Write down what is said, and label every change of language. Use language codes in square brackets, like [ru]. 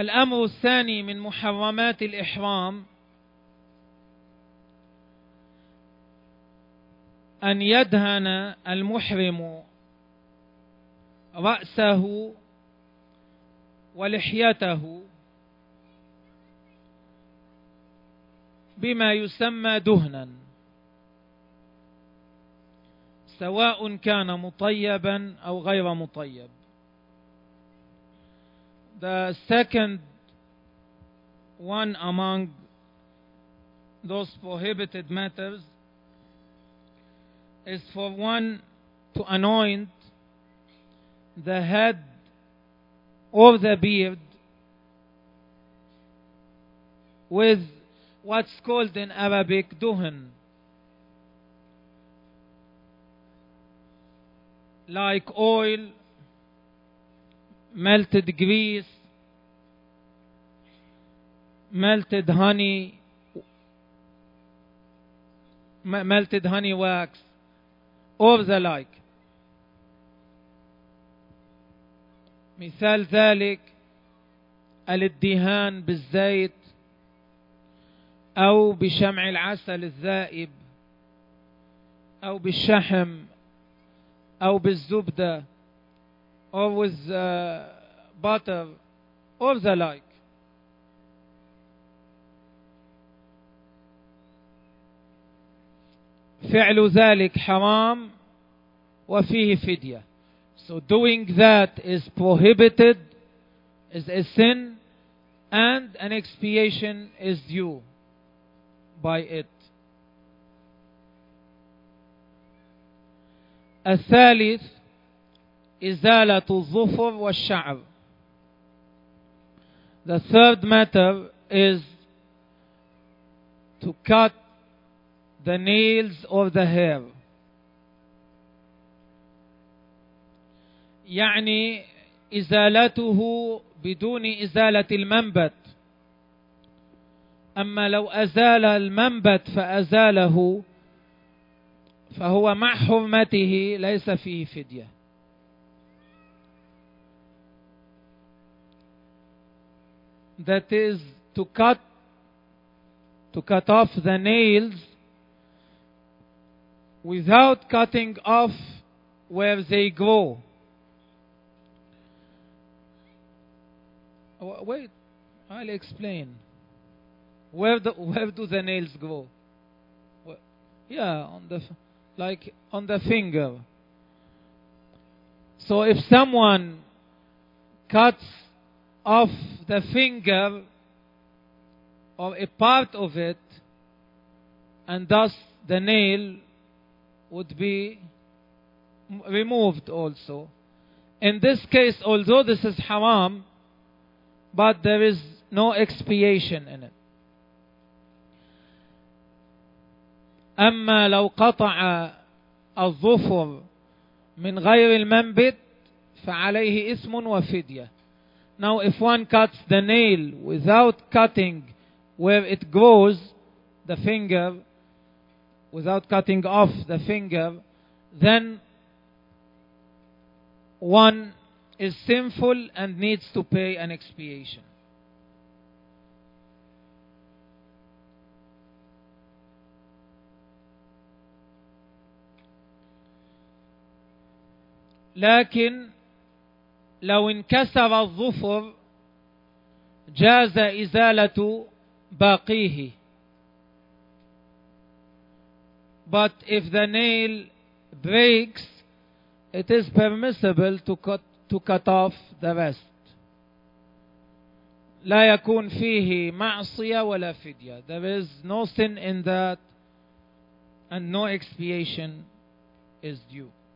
[ar] الأمر الثاني من محرمات الإحرام أن يدهن المحرم رأسه ولحيته بما يسمى دهنا سواء كان مطيبا أو غير مطيب. [en] The second one among those prohibited matters is for one to anoint the head or the beard with what's called in Arabic duhn. Like oil, melted grease, melted honey, melted honey wax, or the like. [ar] مثال ذلك الادهان بالزيت أو بشمع العسل الذائب أو بالشحم أو بالزبدة أو [en] with butter or the like. [ar] فعل ذلك حرام وفيه فدية. [en] So doing that is prohibited, is a sin, and an expiation is due by it. [ar] الثالث إزالة الظفر والشعر. [en] The third matter is to cut the nails or the hair. [ar] يعني إزالته بدون إزالة المنبت. أما لو أزال المنبت فأزاله فهو مع حرمته ليس فيه فدية. [en] That is to cut off the nails without cutting off where they grow. Wait, I'll explain. Where do the nails grow? Yeah, on the finger. So if someone cuts off the finger or a part of it, and thus the nail would be removed also. In this case, although this is haram, but there is no expiation in it. [ar] أما لو قطع الظفر من غير المنبت فعليه إثم وفدية. [en] Now if one cuts the nail without cutting where it grows, the finger, without cutting off the finger, then one is sinful and needs to pay an expiation. [ar] لكن لو انكسر الظفر جاز إزالة باقيه. [en] But if the nail breaks, it is permissible to cut off the rest. [ar] لا يكون فيه معصية ولا فدية. [en] There is no sin in that and no expiation is due.